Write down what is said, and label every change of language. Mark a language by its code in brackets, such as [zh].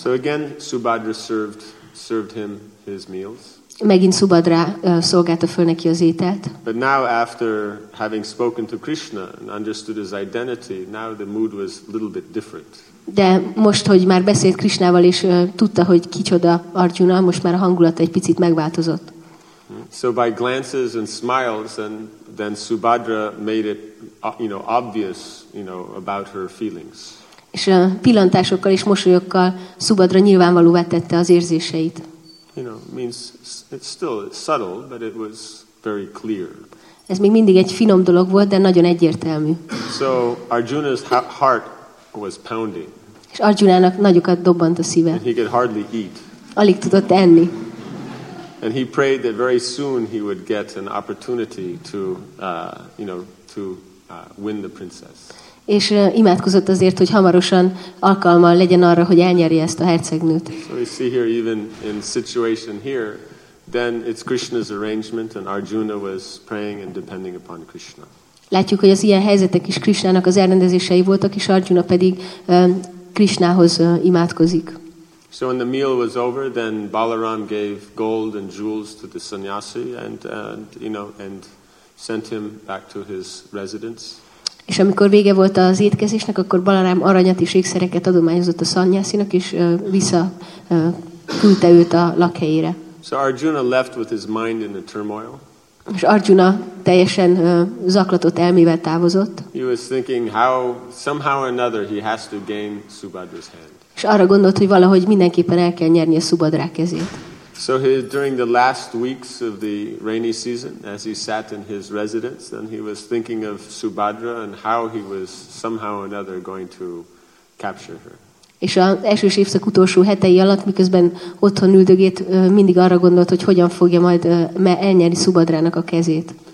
[en] So again, Subhadra served him his meals. [hu] Megint Subhadra szolgálta föl neki az ételt. [en] But now, after having spoken to Krishna and understood his identity, now the mood was a little bit different. [hu] De most, hogy már beszélt Krishnával, és tudta, hogy kicsoda Arjuna, most már a hangulata egy picit megváltozott. [en] So by glances and smiles, and then Subhadra made it, you know, obvious, you know, about her feelings. [hu] És a pillantásokkal és mosolyokkal Subhadra nyilvánvalóvá tette az érzéseit. [en] You know, means it's still subtle, but it was very clear. [hu] Ez még mindig egy finom dolog volt, de nagyon egyértelmű. [en] So Arjuna's heart was pounding. [hu] És Arjunának nagyokat dobbant a szíve. [en] And he could hardly eat. [hu] Alig tudott enni. [en] And he prayed that very soon he would get an opportunity to, you know, to win the princess. [hu] És imádkozott azért, hogy hamarosan alkalma legyen arra, hogy elnyerje ezt a hercegnőt. [en] So we see here, even in situation here, then it's Krishna's arrangement, and Arjuna was praying and depending upon Krishna. [hu] Látjuk, hogy az ilyen helyzetek is Krishnának az elrendezései voltak, és Arjuna pedig Krishnához imádkozik. [en] So when the meal was over, then Balaram gave gold and jewels to the sannyasi and you know and sent him back to his residence. [hu] És amikor vége volt az étkezésnek, akkor Balaram aranyat és ékszereket adományozott a szanyászinak, és vissza küldte őt a lakhelyére. [en] So Arjuna left with his mind in a turmoil. [hu] És Arjuna teljesen zaklatott elmével távozott. [en] He was thinking how somehow or another he has to gain Subhadra's hand. [hu] És arra gondolt, hogy valahogy mindenképpen el kell nyerni a Subhadra kezét. [en] So he, during the last weeks of the rainy season, as he sat in his residence, then he was thinking of Subhadra and how he was somehow or another going to capture her. [hu] És az esős évszak utolsó hetei alatt, miközben otthon üldögét, mindig arra gondolt, hogy hogyan fogja majd elnyerni Subhadrának a kezét.